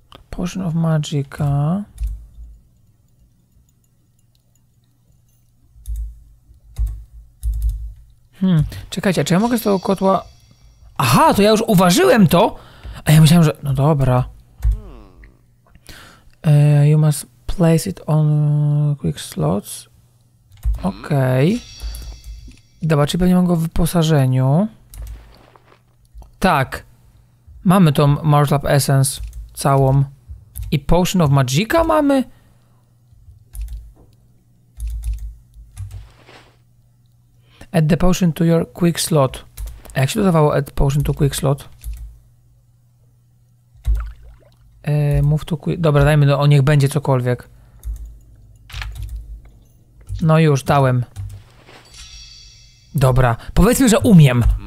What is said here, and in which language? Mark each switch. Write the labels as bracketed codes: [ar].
[en] Potion of Magicka. [pl] Czekajcie, czy ja mogę z tego kotła... Aha, to ja już uważyłem to! A ja myślałem, że... No dobra. [en] You must place it on quick slots. [pl] Okej. Okay. Dobra, czyli pewnie mam go w wyposażeniu. Tak. Mamy tą Marslop Essence całą. I Potion of Magicka mamy? [en] Add the potion to your quick slot. [pl] A jak się dodawało [en] add potion to quick slot? Move to quick... [pl] Dobra, dajmy, no, niech będzie cokolwiek. No już, dałem. Dobra, powiedzmy, że umiem.